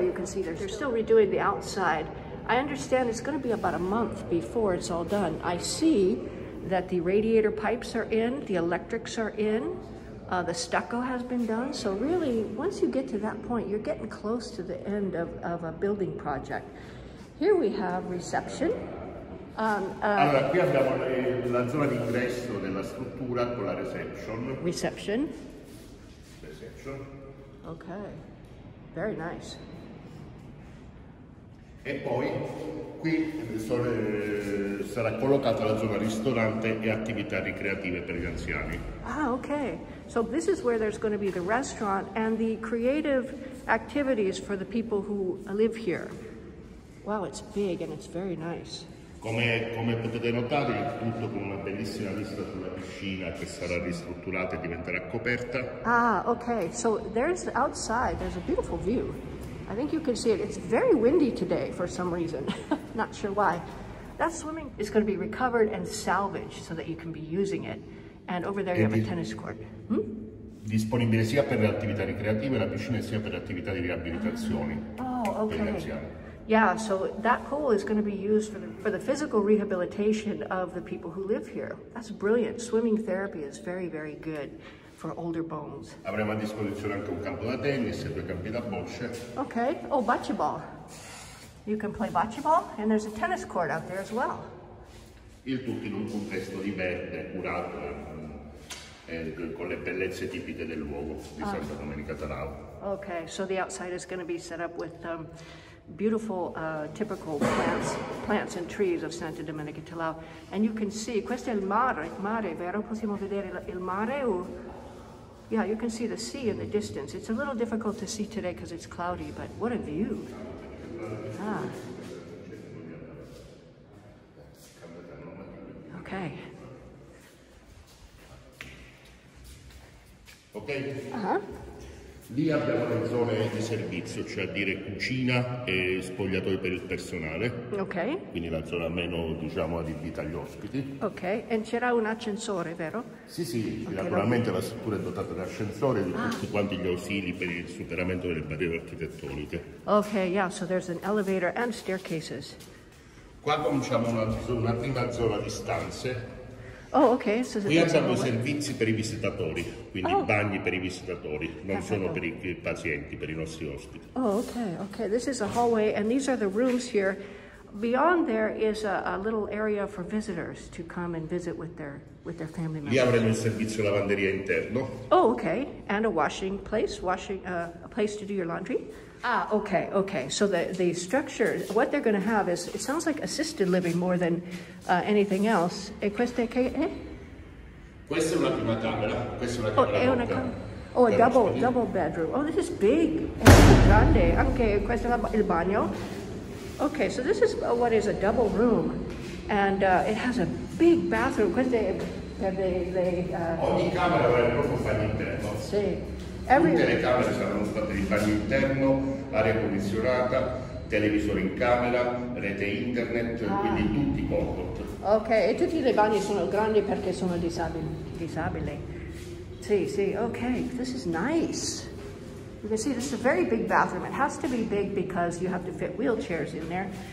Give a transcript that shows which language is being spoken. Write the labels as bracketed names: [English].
[English] You can see they're still redoing the outside. I understand it's gonna be about a month before it's all done. I see that the radiator pipes are in, the electrics are in, the stucco has been done. So really, once you get to that point, you're getting close to the end of a building project. Here we have reception. [Italian] Allora, qui abbiamo la zona di ingresso della struttura con la reception. [English] Reception. Reception. Okay, very nice. [Italian] E poi qui sarà collocata la zona ristorante e attività ricreative per gli anziani. [English] Ah, okay. So this is where there's going to be the restaurant and the creative activities for the people who live here. Wow, it's big and it's very nice. [Italian] Come potete notare, il tutto con una bellissima vista sulla piscina che sarà ristrutturata e diventerà coperta. [English] Ah, okay. So there's outside, there's a beautiful view. I think you can see it. It's very windy today for some reason. Not sure why. That swimming is going to be recovered and salvaged so that you can be using it. And over there you have a tennis court. Hmm? [Italian] Disponibile sia per le attività ricreative la piscina sia per le attività di riabilitazione. [English] Oh, okay. Yeah, so that pool is going to be used for the physical rehabilitation of the people who live here. That's brilliant. Swimming therapy is very, very good for older bones. [Italian] Avremo a disposizione anche un campo da tennis e due campi da bocce. [English] Okay. Oh, bocce ball. You can play bocce ball, and there's a tennis court out there as well. [Italian] Il tutto in un contesto di verde, curato con le bellezze tipiche del luogo di Santa Domenica Talao. [English] Okay, so the outside is going to be set up with beautiful, typical plants and trees of Santa Domenica Talao. And you can see, [Italian] questo è il mare, vero? Possiamo vedere il mare? O... [English] Yeah, you can see the sea in the distance. It's a little difficult to see today because it's cloudy, but what a view. Ah. Okay. Okay. Uh-huh. [Italian] Lì abbiamo le zone di servizio, cioè a dire cucina e spogliatoi per il personale. Ok. Quindi la zona meno, diciamo, adibita agli ospiti. Ok, e c'era un ascensore, vero? Sì, sì, okay, naturalmente la struttura è dotata di ascensore e di tutti quanti gli ausili per il superamento delle barriere architettoniche. [English] Ok, yeah, so there's an elevator and staircases. [Italian] Qua cominciamo una prima zona di stanze. [English] Oh, okay. So [Italian] qui abbiamo servizi per i visitatori, quindi bagni per i visitatori, non sono per i pazienti, per i nostri ospiti. [English] Oh, okay. This is a hallway and these are the rooms here. Beyond there is a little area for visitors to come and visit with their family members. [Italian] Lì avremo il servizio lavanderia interno. [English] Oh, okay. And a washing place, a place to do your laundry. Ah, okay. So the structure, what they're going to have is, it sounds like assisted living more than anything else. [Italian] E queste che è? Questa è una prima camera. Questa è una camera. Oh, è una [English] oh a double bedroom. Oh, this is big. Grande. [Italian] Okay, questo è il bagno. [English] Okay, so this is what is a double room. And it has a big bathroom. [Italian] Queste è per le... Ogni camera avrà il proprio bagno interno. Sì. Tutte le camere saranno state di bagno interno, aria condizionata, televisore in camera, rete internet, quindi tutti comfort. Ok, e tutti i bagni sono grandi perché sono disabili. Sì, [English] ok, this is nice. You can see this is a very big bathroom. It has to be big because you have to fit wheelchairs in there.